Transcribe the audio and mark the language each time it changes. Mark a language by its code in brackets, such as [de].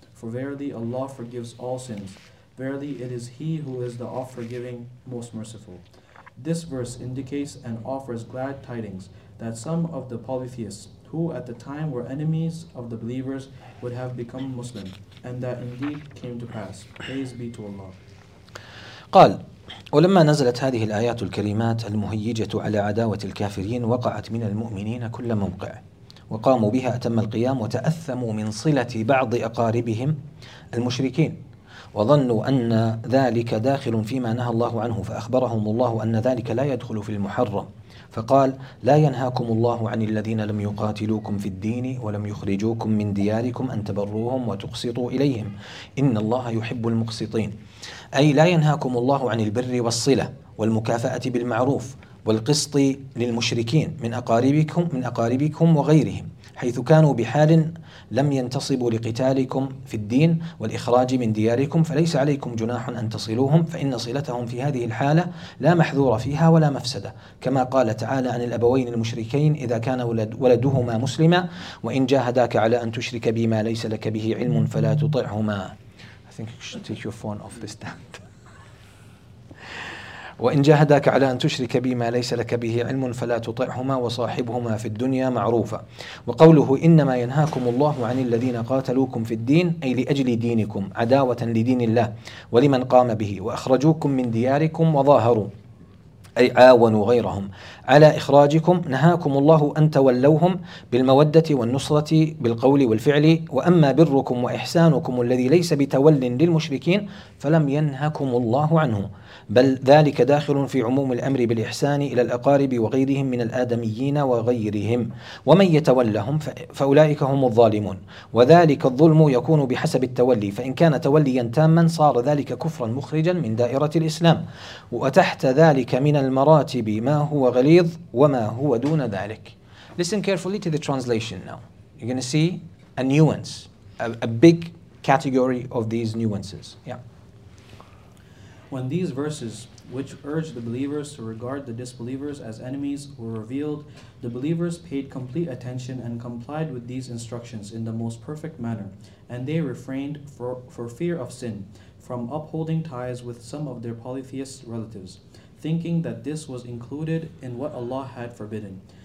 [en] For verily Allah forgives all sins. Verily it is He who is the oft-forgiving, most merciful. This verse indicates and offers glad tidings that some of the polytheists, who at the time were enemies of the believers, would have become Muslim, and that indeed came to pass. Praise be to Allah. [ar] قال ولما نزلت هذه الآيات الكريمات المهيجة على عداوة الكافرين وقعت من المؤمنين كل موقع، وقاموا بها أتم القيام وتأثموا من صلة بعض أقاربهم المشركين، وظنوا أن ذلك داخل فيما نهى الله عنه فأخبرهم الله أن ذلك لا يدخل في المحرم فقال لا ينهاكم الله عن الذين لم يقاتلوكم في الدين ولم يخرجوكم من دياركم أن تبروهم وتقسطوا إليهم إن الله يحب المقسطين أي لا ينهاكم الله عن البر والصلة والمكافأة بالمعروف والقسط للمشركين من أقاربكم وغيرهم حيث كانوا بحال لم ينتصبوا لقتالكم في الدين والإخراج من دياركم فليس عليكم جناح أن تصلوهم فإن صلتهم في هذه الحالة لا محذور فيها ولا مفسدة كما قال تعالى عن الأبوين المشركين إذا كان ولدهما مسلما وإن جاهداك على أن تشرك بما ليس لك به علم فلا تطعهما. [en] I think you should take your phone off the stand. [ar] وإن جاهداك على أن تشرك بما ليس لك به علم فلا تطعهما وصاحبهما في الدنيا معروفا وقوله إنما ينهاكم الله عن الذين قاتلوكم في الدين أي لأجل دينكم عداوة لدين الله ولمن قام به وأخرجوكم من دياركم وظاهروا أي عاونوا غيرهم على إخراجكم نهاكم الله أن تولوهم بالمودة والنصرة بالقول والفعل وأما بركم وإحسانكم الذي ليس بتول للمشركين فلم ينهكم الله عنه بل ذلك داخل في عموم الأمر بالإحسان إلى الأقارب وغيرهم من الآدميين وغيرهم ومن يتولهم فأولئك هم الظالمون وذلك الظلم يكون بحسب التولي فإن كان توليا تاما صار ذلك كفرا مخرجا من دائرة الإسلام وتحت ذلك من المراتب ما هو غليظ وما هو دون ذلك. [en] Listen carefully to the translation now. You're going to see a nuance, a big category of these nuances. Yeah. When these verses, which urged the believers to regard the disbelievers as enemies, were revealed, the believers paid complete attention and complied with these instructions in the most perfect manner, and they refrained for fear of sin from upholding ties with some of their polytheist relatives, thinking that this was included in what Allah had forbidden.